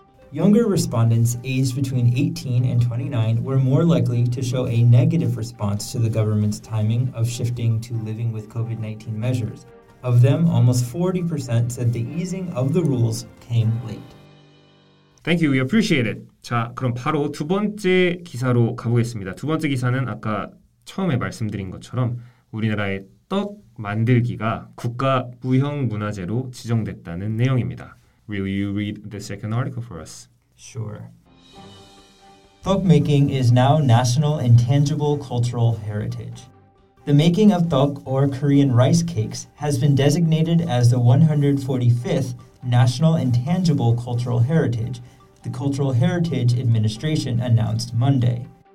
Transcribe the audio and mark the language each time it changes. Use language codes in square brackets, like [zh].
[en] Younger respondents aged between 18 and 29 were more likely to show a negative response to the government's timing of shifting to living with COVID-19 measures. Of them, almost 40% said the easing of the rules came late. Thank you. We appreciate it. [ko] 자, 그럼 바로 두 번째 기사로 가보겠습니다. 두 번째 기사는 아까 처음에 말씀드린 것처럼 우리나라의 떡 만들기가 국가 무형 문화재로 지정됐다는 내용입니다. [en] Will you read the second article for us? Sure. Tteok making is now national intangible cultural heritage. The making of tteok, or Korean rice cakes, has been designated as the 145th National Intangible Cultural Heritage, the Cultural Heritage Administration announced Monday.